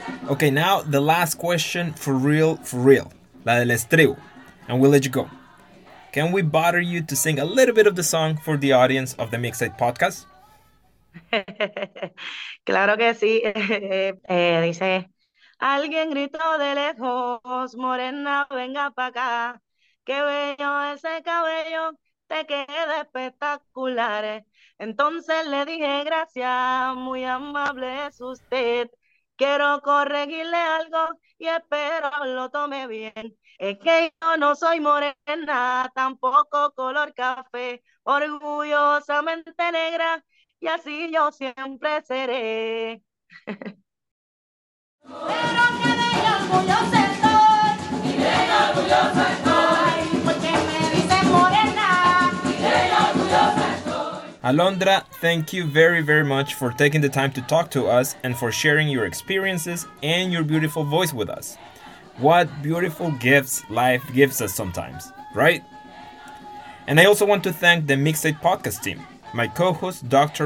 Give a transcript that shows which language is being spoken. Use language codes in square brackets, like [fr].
[en] Okay, now the last question for real, [es] la del estribo, [en] and we'll let you go. Can we bother you to sing a little bit of the song for the audience of the Mixtape podcast? [es] Claro que sí. Dice, alguien gritó de lejos, morena, venga pa' acá. Qué bello ese cabello, te queda espectacular. Entonces le dije gracias, muy amable es usted. Quiero corregirle algo y espero lo tome bien. Es que yo no soy morena, tampoco color café. Orgullosamente negra, y así yo siempre seré. Pero que de orgulloso estoy, y de orgulloso estoy. Porque me dicen morena, y de orgulloso estoy. [en] Alondra, thank you very, very much for taking the time to talk to us and for sharing your experiences and your beautiful voice with us. What beautiful gifts life gives us sometimes, right? And I also want to thank the Mixtape podcast team, my co-host Dr.